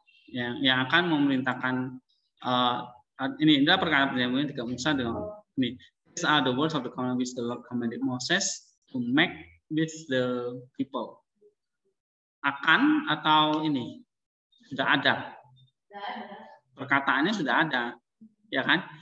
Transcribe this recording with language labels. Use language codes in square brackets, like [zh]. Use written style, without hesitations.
[id] Yang akan memerintahkan ini adalah perkara perjanjian dengan Musa dengan ini. [en] These are the words of the covenant which the Lord commanded Moses to make with the people. [id] Akan atau ini sudah ada. Perkataannya sudah ada, ya kan?